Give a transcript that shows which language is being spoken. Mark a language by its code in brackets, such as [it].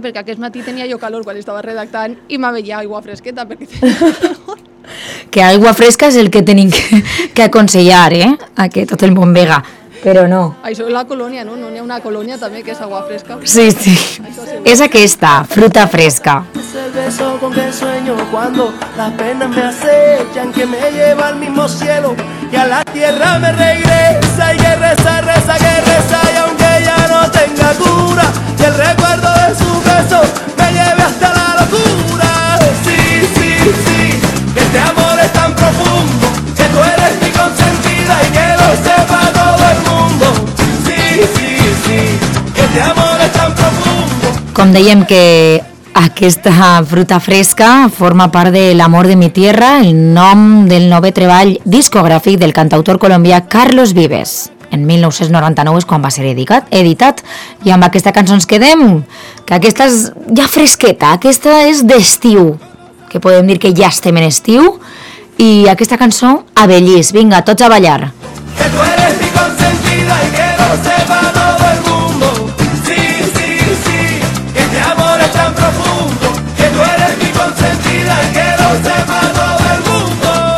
[ca] Perquè aquest matí tenia jo calor quan estava redactant i m'aveia Agua fresqueta perquè tenia calor. Que Agua fresca és el que tenim que aconsellar, eh? A que tot el món vega, però no. Això és la colònia, no? No hi ha una colònia també que és Agua fresca? Sí, sí. És aquesta, Fruta fresca. [es] Es el beso con que sueño cuando las penas me acechan, que me lleva al mismo cielo y a la tierra me regresa, y que reza, reza, que reza, y aunque ya no tenga cura, y el recuerdo de su beso me lleve hasta la locura. Sí, sí, sí. Este amor es tan profundo que tú eres mi consentida y que lo sepa todo el mundo. Sí, sí, sí. Este amor es tan profundo. [ca] Com dèiem que aquesta Fruta fresca forma part de L'amor de mi tierra, el nom del nou treball discogràfic del cantautor colombià Carlos Vives. En 1999 és quan va ser editat. I amb aquesta cançó ens quedem, que aquesta és ja fresqueta, aquesta és d'estiu, que podem dir que ja estem en estiu, i aquesta cançó, Abellís, vinga, tots a ballar. [es] Que tú eres mi consentida y que lo sepa todo el mundo. Sí, sí, sí, que este amor es tan profundo. Que tú eres mi consentida y que lo sepa todo el mundo.